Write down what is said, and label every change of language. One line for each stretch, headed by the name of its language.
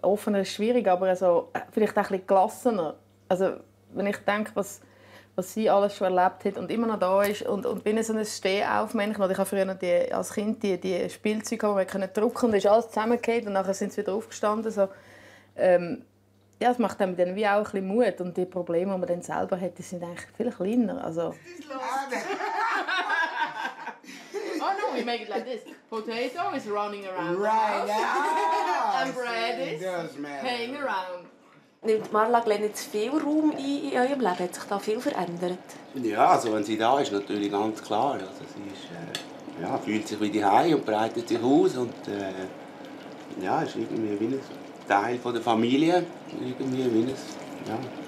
German: Offener ist schwierig, aber so vielleicht auch ein bisschen gelassener. Also, wenn ich denke, was sie alles schon erlebt hat und immer noch da ist und bin so ein Stehaufmännchen. Ich habe früher noch als Kind die Spielzeuge gehabt, die können drücken und ist alles zusammengefallen und nachher sind sie wieder aufgestanden. So, ja, es macht einem dann wie auch ein bisschen Mut. Und die Probleme, die man dann selber hat, sind eigentlich viel kleiner. Also.
English: Oh no, we make it like this. Potato is running around. Right now. And bread is hanging around.
German: Nimmt Marla Glenn jetzt viel Raum ein in eurem Leben? Hat sich da viel verändert? Ja, also wenn sie da ist, natürlich ganz klar. Also sie ist, ja, fühlt sich wie die Hause und breitet sich aus. Und ja, ist irgendwie wie ein Teil der Familie. Irgendwie wie es, ja.